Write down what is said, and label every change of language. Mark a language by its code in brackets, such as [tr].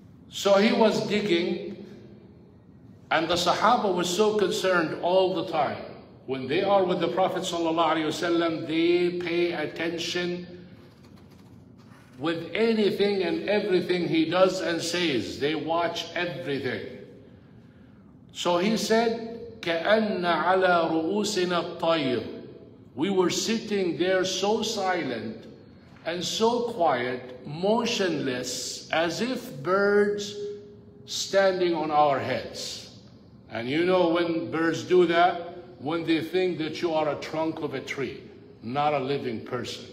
[en] So he was digging, and the Sahaba was so concerned all the time. When they are with the Prophet ﷺ, they pay attention with anything and everything he does and says. They watch everything. So he said, [ar] كَأَنَّ عَلَى رُؤُوسِنَا الطَّيْرِ. [en] We were sitting there so silent and so quiet, motionless, as if birds standing on our heads. And you know when birds do that? When they think that you are a trunk of a tree, not a living person.